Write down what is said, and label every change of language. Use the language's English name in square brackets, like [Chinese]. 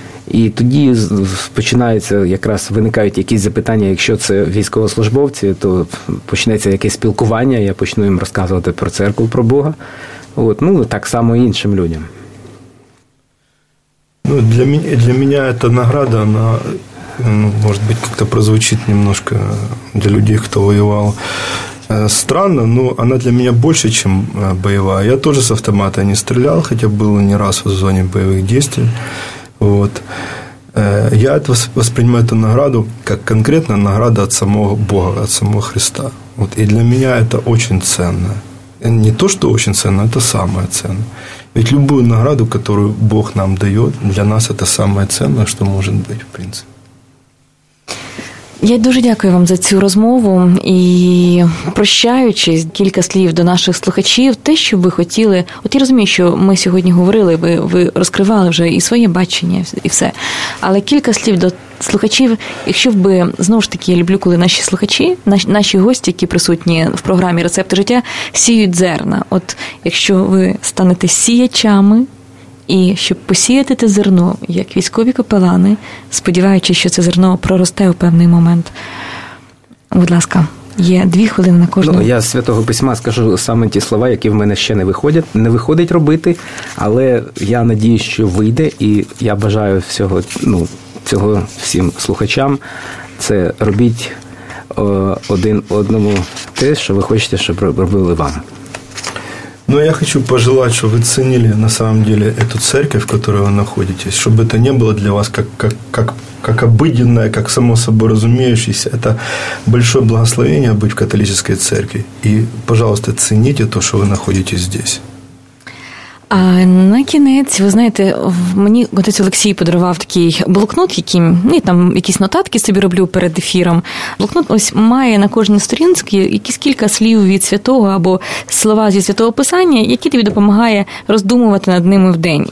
[Ukrainian] І тоді починається, якраз виникають якісь запитання, якщо це військовослужбовці, то почнеться якесь спілкування, я почну їм розказувати про церкву, про Бога. От, ну, так само і іншим людям. Ну, для мене ця награда, вона, ну, може бути, як-то прозвучить немножко для людей, хто воював. [Russian] Странно, но она для меня больше, чем боевая. Я тоже с автомата не стрелял, хотя был не раз в зоне боевых действий. Вот. Я это воспринимаю эту награду как конкретно награда от самого Бога, от самого Христа. Вот. И для меня это очень ценно. Не то, что очень ценно, это самое ценное. Ведь любую награду, которую Бог нам дает, для нас это самое ценное, что может быть, в принципе. [Ukrainian] Я дуже дякую вам за цю розмову і, прощаючись, кілька слів до наших слухачів, те, що ви хотіли, от я розумію, що ми сьогодні говорили, ви розкривали вже і своє бачення, і все, але кілька слів до слухачів, якщо б, знову ж таки, я люблю, коли наші слухачі, наші гості, які присутні в програмі «Рецепти життя», сіють зерна. От якщо ви станете сіячами, і щоб посіяти те зерно, як військові капелани, сподіваючись, що це зерно проросте у певний момент. Будь ласка, є 2 хвилини на кожну. Ну, я з Святого Письма скажу саме ті слова, які в мене ще не виходять. Не виходить робити, але я надію, що вийде. І я бажаю всього, ну, цього всім слухачам. Це робіть один одному те, що ви хочете, щоб робили вам. [Russian] Ну, я хочу пожелать, чтобы вы ценили на самом деле эту церковь, в которой вы находитесь, чтобы это не было для вас как обыденное, как само собой разумеющееся. Это большое благословение быть в католической церкви. И, пожалуйста, цените то, что вы находитесь здесь. [Ukrainian] А на кінець, ви знаєте, мені отець Олексій подарував такий блокнот, який, ну, там якісь нотатки собі роблю перед ефіром. Блокнот ось має на кожній сторінці якісь кілька слів від святого або слова зі святого писання, які тобі допомагає роздумувати над ними в день.